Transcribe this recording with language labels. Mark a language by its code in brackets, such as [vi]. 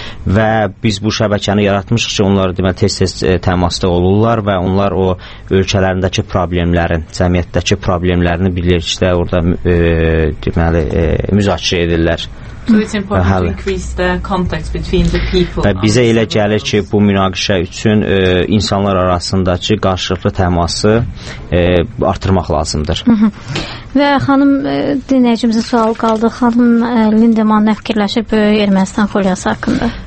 [az] Və biz bu şəbəkəni yaratmışıq ki, onlar deməli tez-tez təmasda olurlar və onlar o ölkələrindəki problemlərin, cəmiyyətdəki problemlərini bilirlər orada. Deməli, müzakirə edirlər. [en] So it's important to increase the contact between the people. [az] Bizə elə gəlir ki, bu münaqişə üçün insanlar arasındakı qarşılıqlı təması artırmaq lazımdır. Və xanım dinləyicimizin sualı qaldı. Xanım Lindeman nə fikirləşir Böyük Ermənistan xulyası haqqında?